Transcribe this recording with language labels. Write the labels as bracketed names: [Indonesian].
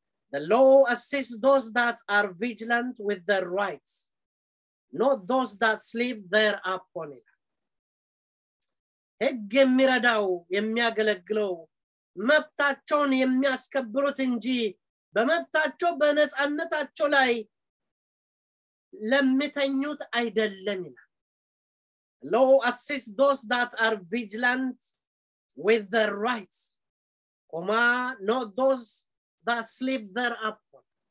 [English] The law assists those that are vigilant with their rights, not those that sleep there upon it. [Amharic] ህግ የሚረዳው የሚያገለግለው መብታቸውን የሚያስከብሩት እንጂ በመብታቸው በነጻነታቸው ላይ ለምተኙት አይደለም. [English] Law assists those that are vigilant with their rights, comma, not those that sleep thereupon.